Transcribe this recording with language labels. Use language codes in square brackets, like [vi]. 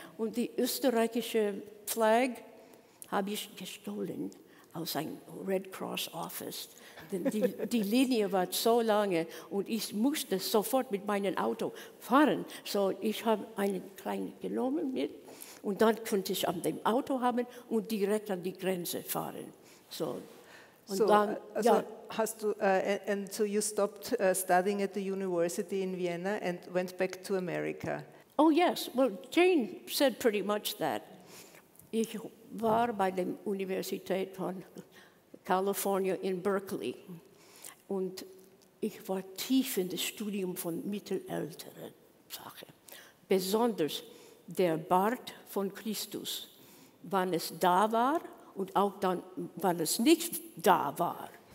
[de] Und die österreichische Flag habe ich gestohlen aus einem Red Cross Office. Die Linie war so lange und ich musste sofort mit meinem Auto fahren. So, ich habe einen kleinen genommen mit und dann konnte ich an dem Auto haben und direkt an die Grenze fahren. So, und so, dann, also ja. Hast du, [en] and so you stopped studying at the university in Vienna and went back to America? Oh yes, well, Jane said pretty much that. [de] Ich war bei der Universität von California in Berkeley und ich war tief in das Studium von mittelalterlichen Sachen. Besonders der Bart von Christus, wann es da war und auch dann, wann es nicht da war.